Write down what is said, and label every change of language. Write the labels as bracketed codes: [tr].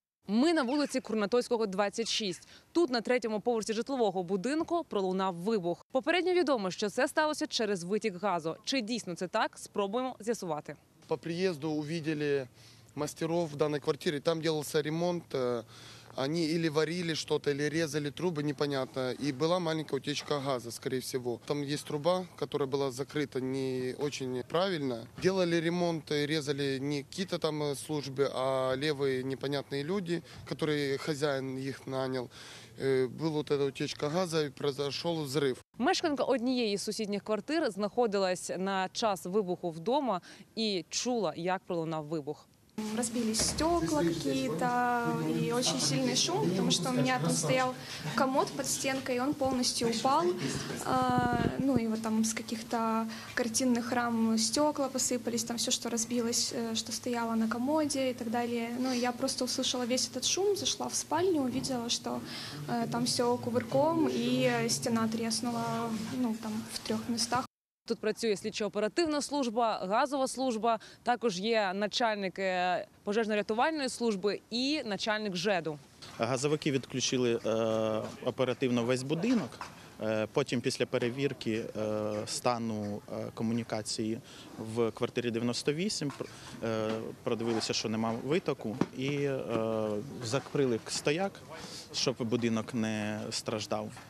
[uk] Ми на вулиці Курнатойського, 26. Тут на третьому поверсі житлового будинку пролунав вибух. Попередньо відомо, що це сталося через витік газу. Чи дійсно це так, спробуємо з'ясувати. По приїзду побачили майстрів в даній квартирі, там робився ремонт. [ru] Они или варили что-то, или резали трубы, непонятно. И была маленькая утечка газа, скорее всего. Там есть труба, которая была закрыта не очень правильно. Делали ремонт, резали не какие-то там службы, а левые непонятные люди, которые хозяин их нанял. [uk] Була ця утечка газу і пройшов взрив. Мешканка однієї з сусідніх квартир знаходилась на час вибуху вдома і чула, як пролунав вибух. [ru] Разбились стекла какие-то и очень сильный шум, потому что у меня там стоял комод под стенкой, и он полностью упал. Ну и вот там с каких-то картинных рам стекла посыпались, там все, что разбилось, что стояло на комоде и так далее. Ну и я просто услышала весь этот шум, зашла в спальню, увидела, что там все кувырком и стена треснула, ну там в трех местах. [uk] Тут працює слідчо-оперативна служба, газова служба, також є начальник пожежно-рятувальної служби і начальник ЖЕДу. Газовики відключили оперативно весь будинок. Потім після перевірки стану комунікації в квартирі 98 продивилися, що нема витоку, і закрили стояк, щоб будинок не страждав.